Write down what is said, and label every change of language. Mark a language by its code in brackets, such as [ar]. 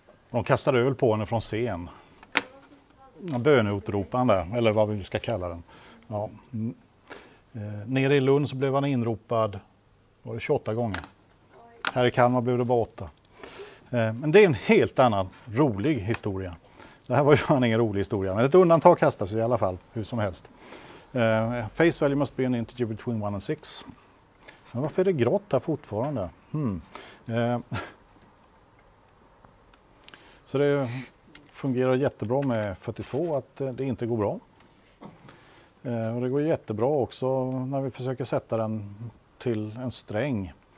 [sv] De kastade öl på henne från scen. Böneutropande, eller vad vi ska kalla den. Ja. Nere i Lund så blev han inropad, var det 28 gånger. Här i Kalmar blev det bara 8. Men det är en helt annan rolig historia. Det här var ju en ingen rolig historia, men ett undantag kastas i alla fall, hur som helst. [en] Face value must be an integer between 1 and 6. [sv] Men varför är det grått här fortfarande? Så det fungerar jättebra med 42, att det inte går bra. Och det går jättebra också när vi försöker sätta den till en sträng.